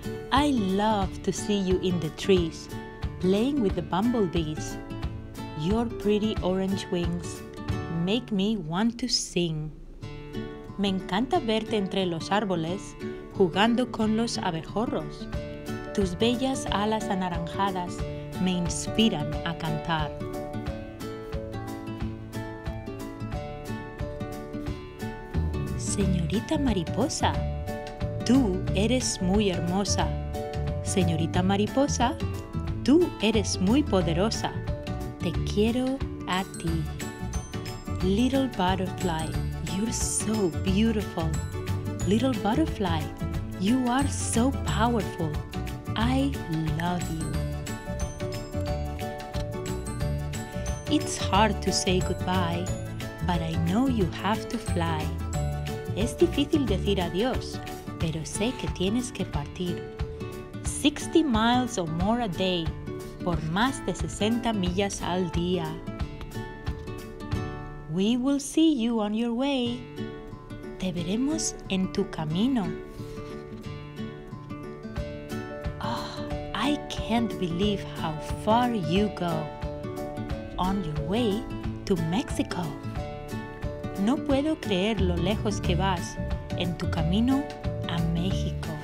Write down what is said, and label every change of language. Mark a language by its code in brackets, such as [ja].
[en] I love to see you in the trees, playing with the bumblebees. Your pretty orange wings make me want to sing. [es] Me encanta verte entre los árboles, jugando con los abejorros. Tus bellas alas anaranjadas me inspiran a cantar. Señorita mariposa, tú eres muy hermosa. Señorita mariposa, tú eres muy poderosa. Te quiero a ti. [en] Little butterfly, you're so beautiful. Little butterfly, you are so powerful. I love you. It's hard to say goodbye, but I know you have to fly. [es] Es difícil decir adiós, pero sé que tienes que partir. [en] 60 miles or more a day, [es] por más de 60 millas al día. [en] We will see you on your way. [es] Te veremos en tu camino. [en] Oh, I can't believe how far you go. On your way to Mexico. [es] No puedo creer lo lejos que vas en tu camino a México.